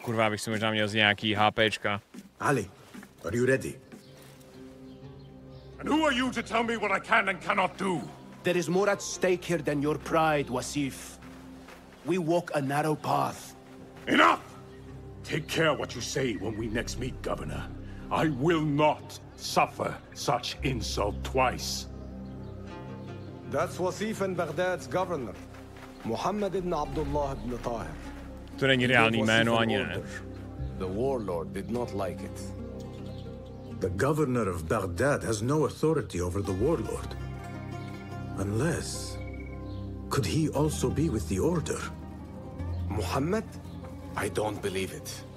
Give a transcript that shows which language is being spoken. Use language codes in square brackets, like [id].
[cs] Kurva, bych si možná měl z nějaký HPčka. [en] Ali, are you ready? And who are you to tell me what I can and cannot do? There is more at stake here than your pride, Wasif. We walk a narrow path. Enough! Take care what you say when we next meet, Governor. I will not suffer such insult twice. That's Wasif and Baghdad's governor, Muhammad ibn Abdullah ibn Tahir. [cs] To není reálný jméno ani ne. [en] The warlord did not like it. The governor of Baghdad has no authority over the warlord. Unless, could he also be with the order? Muhammad? I don't believe it.